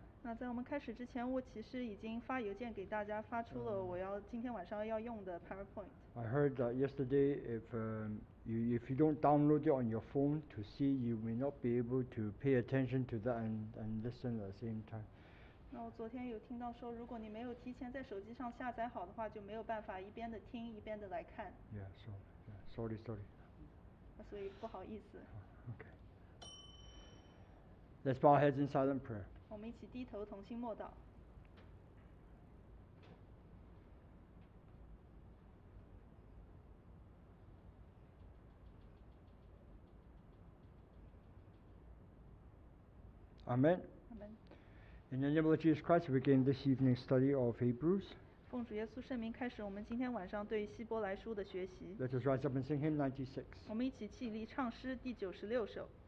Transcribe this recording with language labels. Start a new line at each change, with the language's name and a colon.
Chinese: 那在我们开始之前，我其实已经发邮件给大家，发出了我要今天晚上要用的 PowerPoint.
English: I heard that yesterday, if you don't download it on your phone to see, you may not be able to pay attention to that and listen at the same time.
Chinese: 那我昨天有听到说，如果你没有提前在手机上下载好的话，就没有办法一边的听一边的来看。
English: Yeah, so. Sorry.
Chinese: 所以不好意思。
English: Okay. Let's bow our heads in silent prayer.
Chinese: 我们一起低头同心默祷。
English: Amen. Amen. In the name of Jesus Christ, we begin this evening's study of Hebrews.
Chinese: 奉主耶稣圣名开始，我们今天晚上对希伯来书的学习。
English: Let us rise up and sing hymn 96.
Chinese: 我们一起起立唱诗第九十六首。